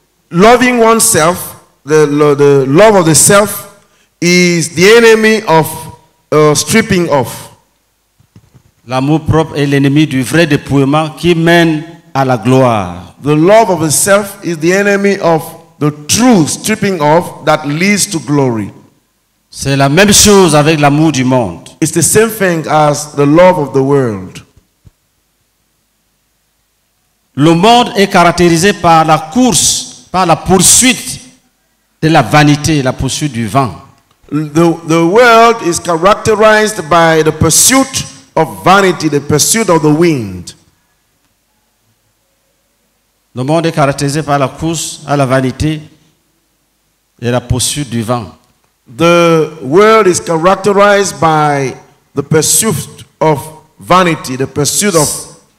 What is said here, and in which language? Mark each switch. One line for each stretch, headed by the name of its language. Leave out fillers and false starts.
English: Loving oneself, the love of the self, is the enemy of stripping off.
French: L'amour propre est l'ennemi du vrai dépouillement qui mène à la gloire.
English: The love of the self is the enemy of the true stripping off that leads to glory.
French: C'est la même chose avec l'amour du monde.
English: It's the same thing as the love of the world.
French: Le monde est caractérisé par la course, par la poursuite de la vanité, la poursuite du vent.
English: The world is characterized by the pursuit of vanity, the pursuit of the wind.
French: Le monde est caractérisé par la course à la vanité et la poursuite du vent.
English: The world is characterized by the pursuit of vanity, the pursuit of